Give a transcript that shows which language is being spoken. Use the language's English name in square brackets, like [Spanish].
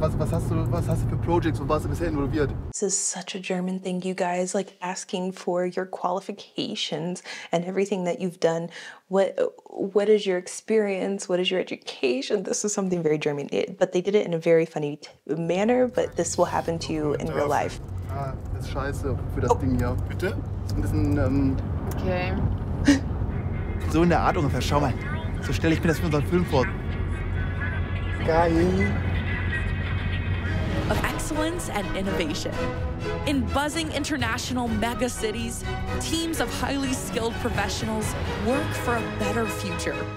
[German] Was hast du für Projects? Wo warst du bisher involviert? [English] This is such a German thing, you guys. Like asking for your qualifications and everything that you've done. What is your experience? What is your education? This is something very German. But they did it in a very funny manner. But this will happen to you in real life. [German] Ah, das ist scheiße für das Ding hier. Bitte? Ein bisschen, Okay. So in der Art ungefähr. Schau mal. So stelle ich mir das für unseren Film vor. Geil. [English] Of excellence and innovation. In buzzing international mega cities, teams of highly skilled professionals work for a better future.